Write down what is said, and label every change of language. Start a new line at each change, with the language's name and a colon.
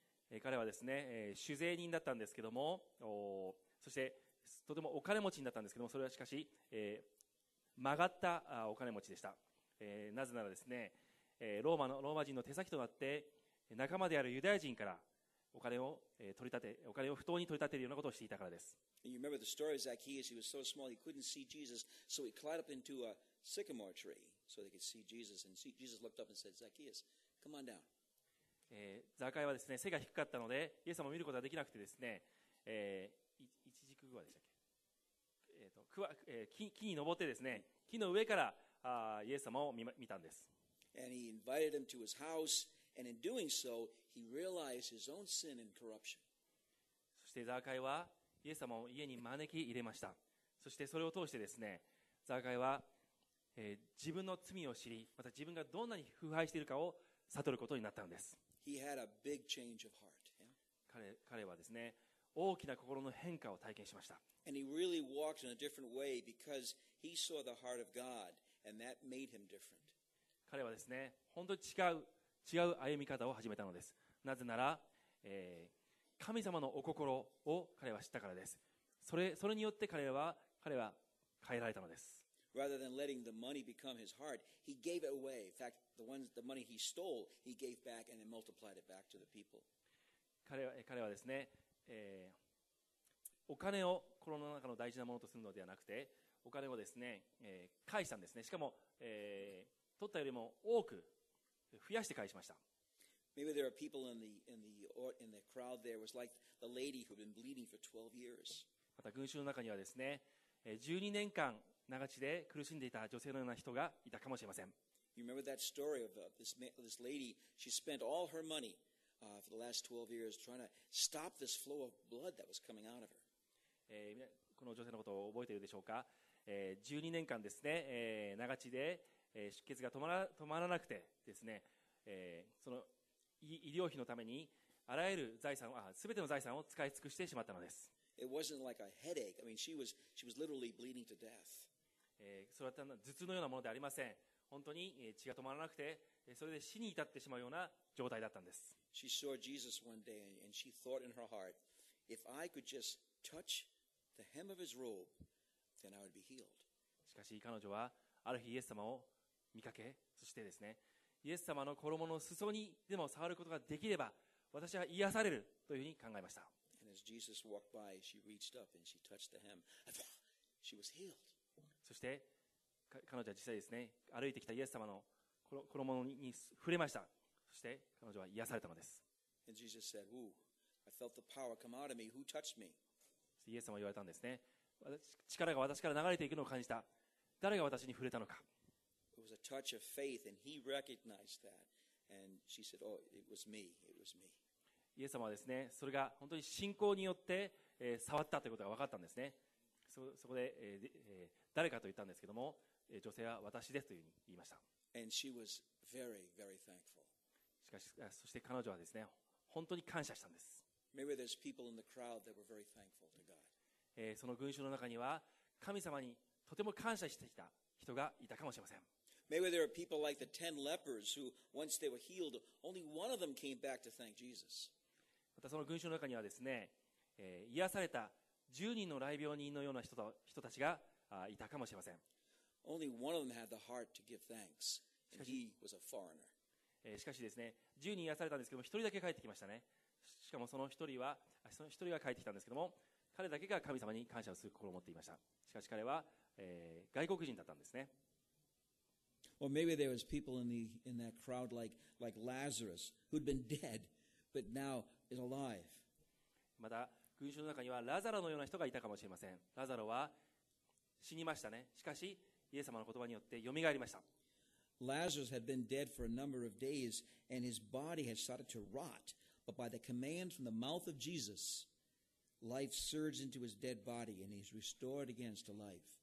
Japanese: 彼はですね、酒税人だったんですけども、そしてとてもお金持ちになったんですけども、それはしかし、曲がったお金持ちでした。なぜならですね、ローマ人の手先となって、仲間であるユダヤ人からお金を取り立て、お金を不当に取り立てるようなことをしていたからです。
English: And you remember the story of Zacchaeus, he was so small he couldn't see Jesus, so he climbed up into a sycamore tree so they could see Jesus. And Jesus looked up and said, Zacchaeus, come on down.
Japanese: ザカイはですね、背が低かったので、イエス様を見ることができなくてですね、一軸グワでしたっけ、木に登ってですね、木の上からイエス様を 見たんです。
English: And he invited him to his house, and in doing so, he realized his own sin and corruption.
Japanese: そしてザカイはイエス様を家に招き入れました。そしてそれを通してですね、ザカイは、自分の罪を知り、また自分がどんなに腐敗しているかを悟ることになったんです。
English: He had a big change of heart.
Japanese: 彼はですね、大きな心の変化を体験しました。
English: And he really walked in a different way because he saw the heart of God, and that made him different.
Japanese: 彼はですね、本当に違う歩み方を始めたのです。なぜなら、神様のお心を彼は知ったからです。それによって彼は変えられたのです。
English: Rather than letting the money become his heart, he gave it away. In fact, the money he stole, he gave back and then multiplied it back to the people.
Japanese: 彼はですね、お金を心の中の大事なものとするのではなくて、お金をですね、返したんですね。しかも、取ったよりも多く増やして返しました。
English: Maybe there are people in the crowd there was like the lady who had been bleeding for 12 years.
Japanese: また群衆の中にはですね、12年間長血で苦しんでいた女性のような人がいたかもしれません。
English: You remember that story of this lady? She spent all her money for the last 12 years trying to stop this flow of blood that was coming out of her.
Japanese: この女性のことを覚えているでしょうか。12年間ですね、長血で出血が止まらなくてですね、その医療費のためにあらゆる財産、すべての財産を使い尽くしてしまったのです。
English: It wasn't like a headache. I mean, she was literally bleeding to death.
Japanese: それは頭痛のようなものではありません。本当に血が止まらなくて、それで死に至ってしまうような状態だったんです。
English: She saw Jesus one day and she thought in her heart, if I could just touch the hem of his robe, then I would be healed.
Japanese: しかし彼女はある日イエス様を見かけ、そしてですね、イエス様の衣の裾にでも触ることができれば、私は癒されるというふうに考えました。
English: As Jesus walked by, she reached up and she touched the hem. She was healed.
Japanese: そして彼女は実際ですね、歩いてきたイエス様の衣に触れました。そして彼女は癒されたのです。
English: And Jesus said, "Ooh, I felt the power come out of me. Who touched me?"
Japanese: イエス様は言われたんですね。力が私から流れていくのを感じた。誰が私に触れたのか。
English: It was a touch of faith, and he recognized that. And she said, "Oh, it was me. It was me."
Japanese: イエス様はですね、それが本当に信仰によって、触ったということが分かったんですね。そこで、誰かと言ったんですけども、女性は私ですというふうに言いました。
English: And she was very, very thankful.
Japanese: しかし、そして彼女はですね、本当に感謝したんです。
English: Maybe there's people in the crowd that were very thankful to God.
Japanese: その群衆の中には、神様にとても感謝してきた人がいたかもしれません。
English: Maybe there are people like the ten lepers who, once they were healed, only one of them came back to thank Jesus.
Japanese: またその群衆の中にはですね、癒された10人の雷病人のような人たちがいたかもしれません。
English: Only one of them had the heart to give thanks, and he was a foreigner.
Japanese: しかしですね、10人癒されたんですけども、1人だけ帰ってきましたね。しかもその1人が帰ってきたんですけども、彼だけが神様に感謝をする心を持っていました。しかし彼は、外国人だったんですね。
English: Or maybe there was people in that crowd like Lazarus who'd been dead but now is alive.
Japanese: また群衆の中にはラザロのような人がいたかもしれません。ラザロは死にましたね。しかしイエス様の言葉によってよみがえりました。
English: Lazarus had been dead for a number of days and his body had started to rot, but by the command from the mouth of Jesus, life surged into his dead body and he's restored again to life.